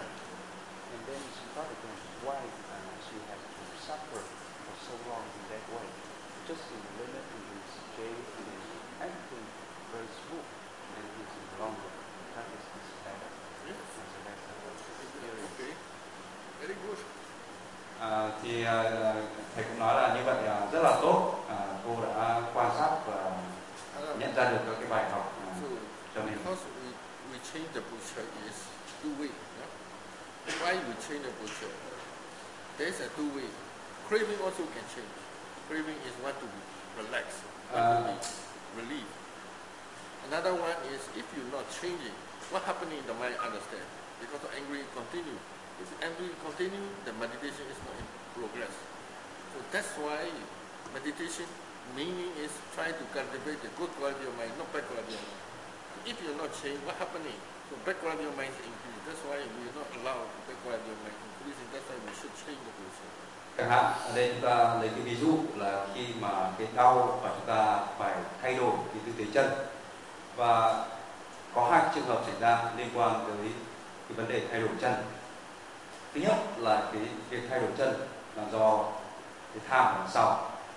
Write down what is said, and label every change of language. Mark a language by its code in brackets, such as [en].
[en] And then she thought again, why she has to suffer for so long in that way? Just in the limit, in this jail, and everything very smooth, and it's longer. That is better. Yes. And so that's the experience. Okay. Very good. [vi] Thì thầy cũng nói là như vậy rất là tốt. Cô đã quan sát và nhận ra được các cái bài học cho mình. [en] Because we change the posture is two way. Yeah? Why we change the posture? There's a two way. Craving also can change. Craving is what to relax, what to relieve. Another one is if you're not changing, what happening in the mind, understand? Because the angry continue. If angry continue, the meditation is not in progress. So that's why meditation meaning is try to cultivate the good quality of mind, not bad quality of mind. If you're not changing, what happening? So bad quality of mind is increasing. That's why we are not allowed bad quality of mind increasing. That's why we should change the position. [vi] Chẳng hạn, ở đây chúng ta lấy cái ví dụ là khi mà cái đau và chúng ta phải thay đổi cái tư thế chân. Và có hai trường hợp xảy ra liên quan tới cái vấn đề thay đổi chân. Thứ nhất là cái thay đổi chân là do cái tham ở sau.